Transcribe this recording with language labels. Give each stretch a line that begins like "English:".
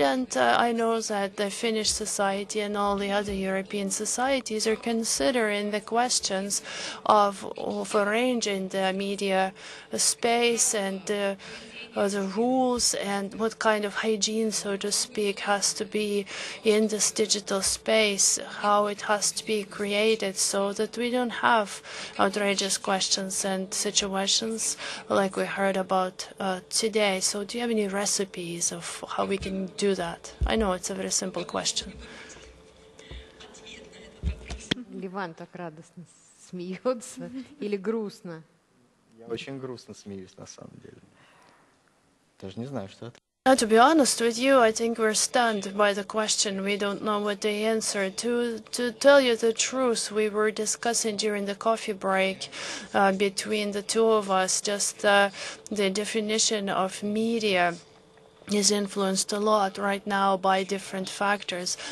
English: And I know that the Finnish society and all the other European societies are considering the questions of arranging the media space and the rules and what kind of hygiene, so to speak, has to be in this digital space, how it has to be created so that we don't have outrageous questions and situations like we heard about today. So do you have any recipes of how we can do that? I know it's a very simple question.
Russian: Ливан так радостно смеется или грустно? Я очень грустно смеюсь, на самом деле.
English: Now, to be honest with you, I think we're stunned by the question. We don't know what the answer. To tell you the truth, we were discussing during the coffee break between the two of us just the definition of media is influenced a lot right now by different factors.